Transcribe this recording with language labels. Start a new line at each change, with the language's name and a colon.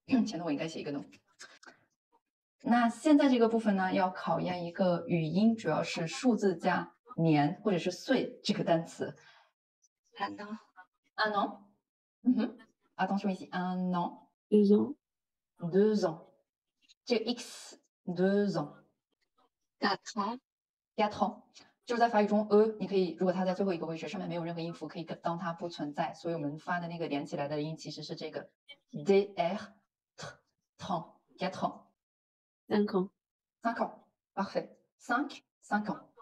Chinese: 前头我应该写一个 non。那现在这个部分呢，要考验一个语音，主要是数字加年或者是岁这个单词。
French: un an。 un an。 attention ici un an。 deux ans。 deux ans。这个 x deux ans。 quatre ans。 quatre ans。
Chinese: 就是在法语中 e， 你可以如果它在最后一个位置上面没有任何音符，可以当它不存在，所以我们发的那个连起来的音其实是这个 dr t t ans。
French: quatre ans。 cinq ans。 cinq ans。 parfait。 cinq。 cinq ans。